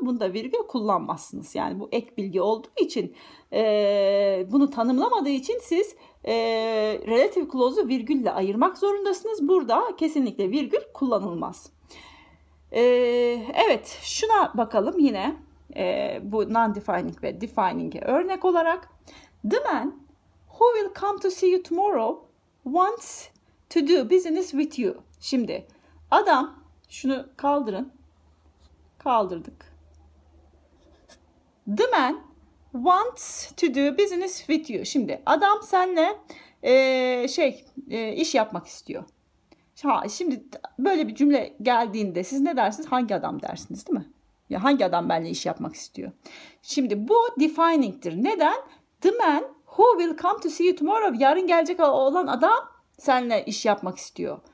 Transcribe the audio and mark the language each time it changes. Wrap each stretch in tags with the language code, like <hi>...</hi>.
<tr>Bunda virgül kullanmazsınız. Yani bu ek bilgi olduğu için bunu tanımlamadığı için siz relative clause'u virgülle ayırmak zorundasınız. Burada kesinlikle virgül kullanılmaz. Evet, şuna bakalım yine bu non-defining ve defining'e örnek olarak.</tr> <en>The man who will come to see you tomorrow wants to do business with you.</en> <tr>Şimdi adam, şunu kaldırın. Kaldırdık.</tr> <en>The man wants to do business with you.</en> <tr>Şimdi adam seninle iş yapmak istiyor. Şimdi böyle bir cümle geldiğinde siz ne dersiniz? Hangi adam dersiniz, değil mi? Ya hangi adam benimle iş yapmak istiyor? Şimdi bu defining'tir. Neden?</tr> <en>The man who will come to see you tomorrow,</en> <tr>yarın gelecek olan adam seninle iş yapmak istiyor.</tr>